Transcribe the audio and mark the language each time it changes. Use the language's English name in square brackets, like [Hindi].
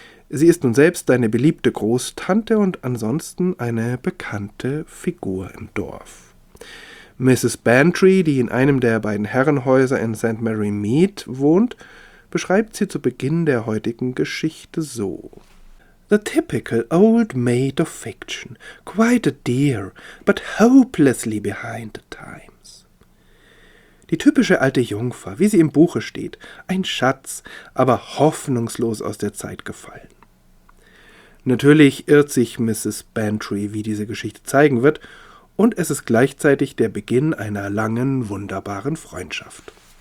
[German] Sie ist nun selbst eine beliebte Großtante und ansonsten eine bekannte Figur im Dorf. Mrs. Bantry, die in einem der beiden Herrenhäuser in St. Mary Mead wohnt, beschreibt sie zu Beginn der heutigen Geschichte so. [English] The typical old maid of fiction, quite a dear, but hopelessly behind the times. [German] Die typische alte Jungfer, wie sie im Buche steht, ein Schatz, aber hoffnungslos aus der Zeit gefallen. Natürlich irrt sich Mrs. Bantry, wie diese Geschichte zeigen wird, und es ist gleichzeitig der Beginn einer langen, wunderbaren Freundschaft.